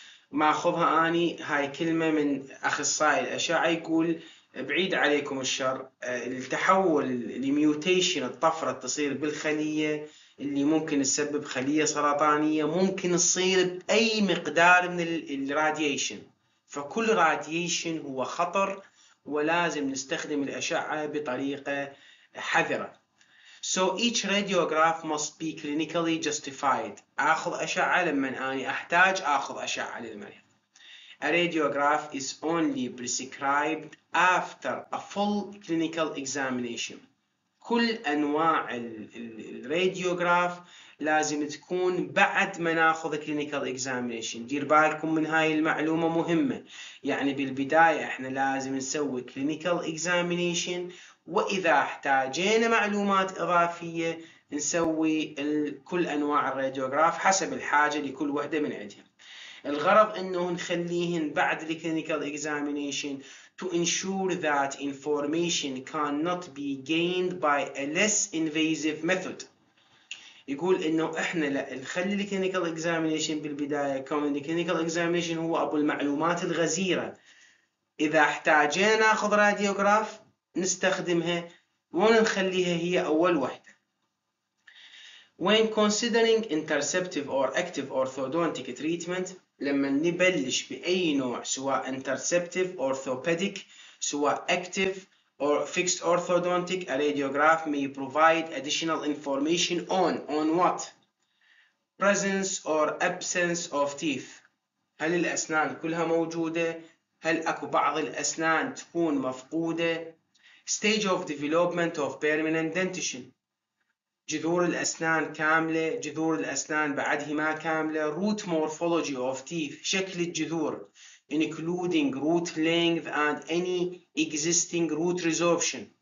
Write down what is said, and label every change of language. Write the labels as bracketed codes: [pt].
[ar] ما أخذها أني هاي كلمة من أخصائي الأشعة يقول بعيد عليكم الشر، التحول الميوتيشن الطفرة تصير بالخلية اللي ممكن تسبب خلية سرطانية ممكن تصير بأي مقدار من الراديشن، فكل راديشن هو خطر ولازم نستخدم الأشعة بطريقة حذرة. [en] So each radiograph must be clinically justified. [ar] آخذ أشعة لما أنا أحتاج آخذ أشعة للمريض. [en] A radiograph is only prescribed after a full clinical examination. [ar] كل أنواع الراديوغراف لازم تكون بعد ما ناخذ clinical examination. دير بالكم من هاي المعلومة مهمة، يعني بالبداية احنا لازم نسوي clinical examination وإذا احتاجينا معلومات إضافية نسوي كل أنواع الراديوغراف حسب الحاجة لكل وحدة من عندهم. الغرض انه نخليهن بعد الكلينيكال اكزامينيشن [en] to ensure that information cannot be gained by a less invasive method. [ar] يقول انه احنا لا نخلي الكلينيكال اكزامينيشن بالبدايه، كون الكلينيكال اكزامينيشن هو ابو المعلومات الغزيره، اذا احتاجنا ناخذ راديوغراف نستخدمها ونخليها هي اول واحده. [en] When considering interceptive or active orthodontic treatment، [ar] لما نبلش بأي نوع سواء [en] interceptive orthopedic سواء active or fixed orthodontic، a radiograph may provide additional information on what presence or absence of teeth. [ar] هل الأسنان كلها موجودة؟ هل أكو بعض الأسنان تكون مفقودة؟ [en] stage of development of permanent dentition، [ar] جذور الأسنان كاملة، جذور الأسنان بعدها ما كاملة، [en] root morphology of teeth، [ar] شكل الجذور [en] including root length and any existing root resorption،